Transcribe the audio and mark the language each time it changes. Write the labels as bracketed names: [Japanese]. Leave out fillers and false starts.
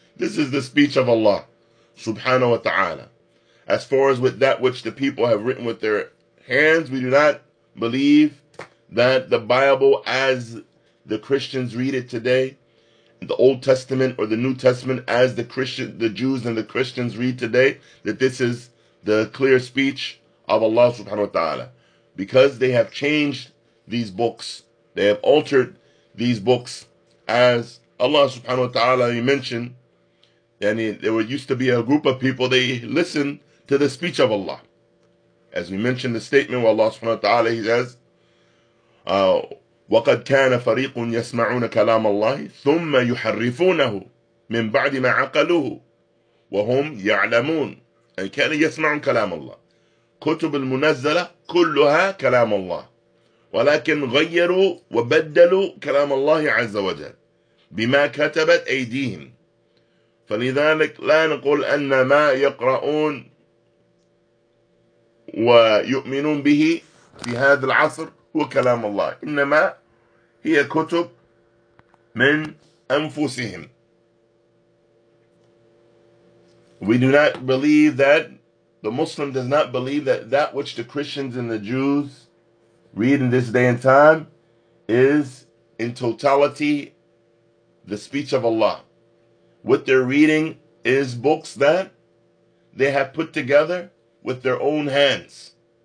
[English] This is the speech of Allah subhanahu wa ta'ala. As far as with that which the people have written with their hands, we do not believe that the Bible as the Christians read it today, the Old Testament or the New Testament as the Christian, the Jews and the Christians read today, that this is the clear speech of Allah subhanahu wa ta'ala. Because they have changed these books, they have altered these books, as Allah subhanahu wa ta'ala, he mentioned, and there used to be a group of people, they listened to the speech of Allah. As we mentioned the statement where Allah subhanahu wa ta'ala, he says, [Arabic] وَقَدْ كَانَ فَرِيقٌ يَسْمَعُونَ كَلَامَ اللَّهِ ثُمَّ يُحَرِّفُونَهُ مِنْ بَعْدِ مَا عَقَلُوهُ وَهُمْ يَعْلَمُونَ أي كان يسمعون كلام الله. كتب المنزلة كلها كلام الله. ولكن غيروا وبدلوا كلام الله عز وجل بما كتبت أيديهم. فلذلك لا نقول أن ما يقرؤون ويؤمنون به في هذا العصر هو كلام الله، إنما هي كتب من أنفسهم. [English] We do not believe that, the Muslim does not believe that that which the Christians and the Jews read in this day and time is in totality the speech of Allah. What they're reading is books that they have put together with their own hands.